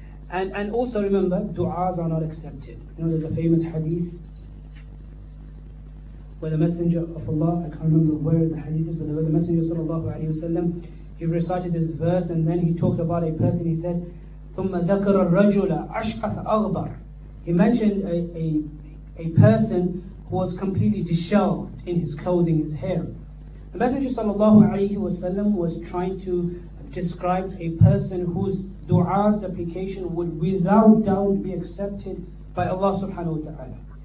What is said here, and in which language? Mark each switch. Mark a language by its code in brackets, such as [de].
[en] And also remember, du'as are not accepted. You know, there's a famous hadith where the Messenger of Allah, I can't remember where the hadith is, but where the Messenger sallallahu alayhi wa sallam, he recited this verse and then he talked about a person. He said, [ar] ثُمَّ ذَكَرَ الرَّجُلَ أَشْقَثَ أَغْبَرَ. [en] He mentioned a person who was completely disheveled in his clothing, his hair. The Messenger sallallahu alayhi wa sallam was trying to describe a person whose du'a's application would without doubt be accepted by Allah subhanahu wa ta'ala.